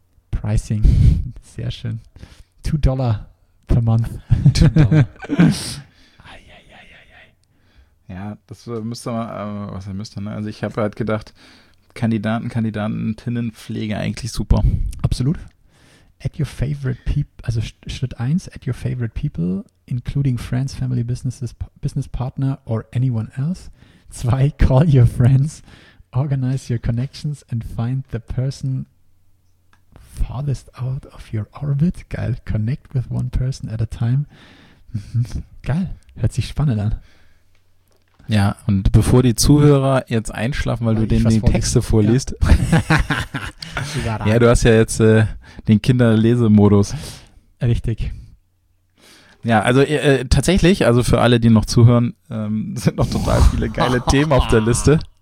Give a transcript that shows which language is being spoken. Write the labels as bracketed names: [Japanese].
[English] Pricing. [German] Sehr schön. [English] $2 per Month. $2. Eieieiei. [German] Ja, das müsste man, was er müsste, ne? Also ich habe halt gedacht, Kandidaten, Kandidatinnen, Pflege eigentlich super. Absolut. [English] Add your favorite people, [German] also Schritt 1, [English] add your favorite people, including friends, family, businesses, business partner or anyone else. 2, call your friends, organize your connections and find the person farthest out of your orbit. Geil, connect with one person at a time. [German] Geil, hört sich spannend an. Ja, und bevor die Zuhörer jetzt einschlafen, weil du denen die Texte vorliest. Ja. Ja, du hast ja jetzt den Kinderlesemodus. Richtig. Ja, also tatsächlich, also für alle, die noch zuhören, sind noch total viele geile Themen auf der Liste.